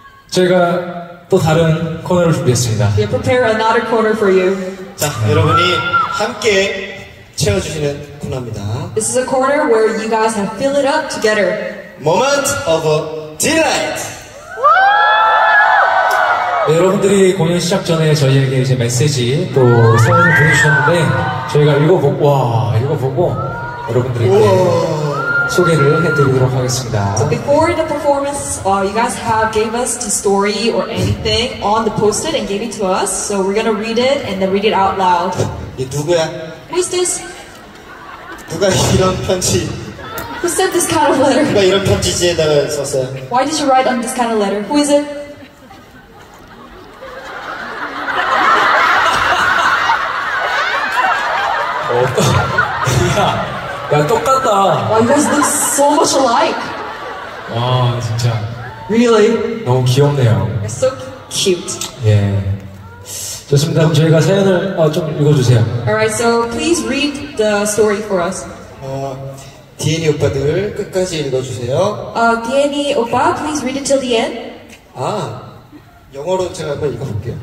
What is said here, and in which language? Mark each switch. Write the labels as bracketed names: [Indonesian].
[Korean] 저희가 또 다른 코너를 준비했습니다. [English] We prepare another corner for you. [Korean] 자, 여러분이 함께 채워주시는 코너입니다. [English] This is a corner where you guys have filled it up together. Moment of delight. [Korean] 여러분들이 공연 시작 전에 저희에게 이제 메시지 또 소원을 보내주셨는데 저희가 읽어보고 와 읽어보고 여러분들에게 소개를 해드리도록 하겠습니다. [English] So before the performance, you guys have gave us the story or anything on the post-it and gave it to us. So we're gonna read it and then read it out loud. [Korean] 이 누구야? [English] Who's this? [Korean] 누가 이런 편지? [English] Who sent this kind of letter? [Korean] 누가 이런 편지지에다가 썼어요? [English] Why did you write on this kind of letter? Who is it? [Korean] 야, 똑같다. [English] Wow, you guys look so much alike. [Korean] 와, 진짜. [English] Really? [Korean] 너무 귀엽네요. [English] It's so cute. [Korean] 예. 좋습니다. 그럼 저희가 사연을 좀 읽어주세요. [English] Alright, so please read the story for us. [Korean] D&E 오빠들 끝까지 읽어주세요. [English] D&E 오빠, please read it till the end. [Korean] 아, 영어로 제가 한번 읽어볼게요.